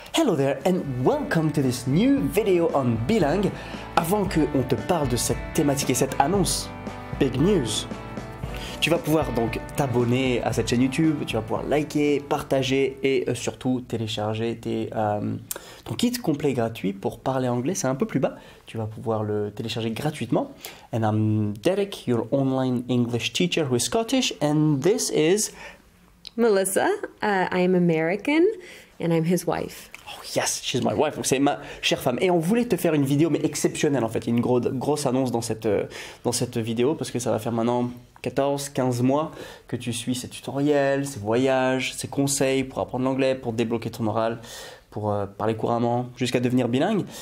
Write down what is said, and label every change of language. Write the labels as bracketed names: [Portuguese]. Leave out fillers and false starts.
[English] Hello there and welcome to this new video on Bilang. [French] Avant qu'on te parle de cette thématique et cette annonce, [English] big news. [French] Tu vas pouvoir donc t'abonner à cette chaîne YouTube, tu vas pouvoir liker, partager et surtout télécharger ton kit complet gratuit pour parler anglais, c'est un peu plus bas. Tu vas pouvoir le télécharger gratuitement. [English] And I'm Derek, your online English teacher who is Scottish and this is... Melissa, I am American and I'm his wife. Oh yes, she's my wife, [French] c'est ma chère femme. Et on voulait te faire une vidéo, mais exceptionnelle en fait. Il y a une grosse annonce dans cette vidéo parce que ça va faire maintenant 14-15 mois que tu suis ces tutoriels, ces voyages, ces conseils pour apprendre l'anglais, pour débloquer ton oral, pour parler couramment, jusqu'à devenir bilingue.